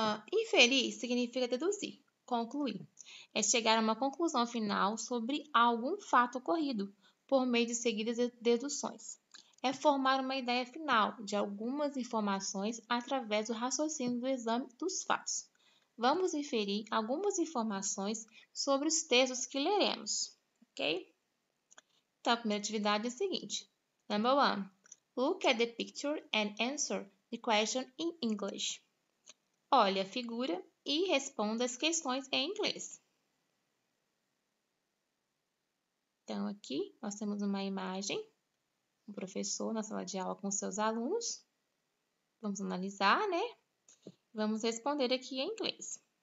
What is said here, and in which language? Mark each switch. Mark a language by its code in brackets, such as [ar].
[pt] Inferir significa deduzir, concluir. É chegar a uma conclusão final sobre algum fato ocorrido, por meio de seguidas deduções. É formar uma ideia final de algumas informações através do raciocínio do exame dos fatos. Vamos inferir algumas informações sobre os textos que leremos, ok? Então, a primeira atividade é a seguinte. [en] Number one, look at the picture and answer the question in English. [pt] Olhe a figura e responda as questões em inglês. Então, aqui nós temos uma imagem, um professor na sala de aula com seus alunos. Vamos analisar, né? Vamos responder aqui em inglês.